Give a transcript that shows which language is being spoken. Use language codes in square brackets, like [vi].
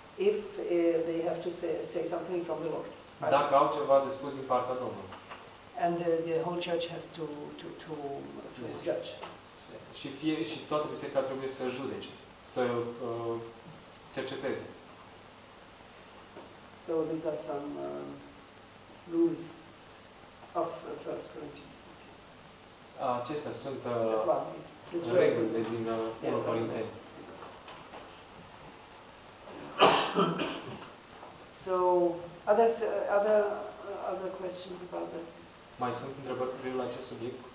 [en] If they have to say something from the Lord. Right? [ro] Dacă au ceva de spus din partea Domnului. [en] And the whole church has to yes. Judge. [ro] Și toată biserica trebuie să judece, să cerceteze. [en] So these are some rules of 1 Corinthians 14. [ro] Acestea sunt. [en] So, other questions about that? [ro] Mai sunt întrebări la acest subiect?